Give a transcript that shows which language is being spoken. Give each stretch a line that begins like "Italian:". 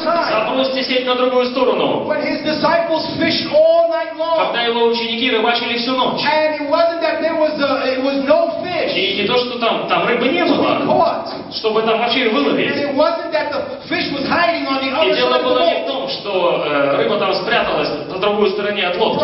Russian: Забросьте сеть на другую сторону.
English: When his disciples fished all night long,
Russian: когда его ученики рыбачили всю ночь.
English: And it wasn't that there was a, it was no fish,
Russian: и не то, что там, там рыбы не было,
English: caught,
Russian: чтобы там вообще выловить.
English: And it wasn't that the fish was hiding on the other side of the boat.
Russian: И дело было не в том, что рыба там спряталась на другой стороне от лодки.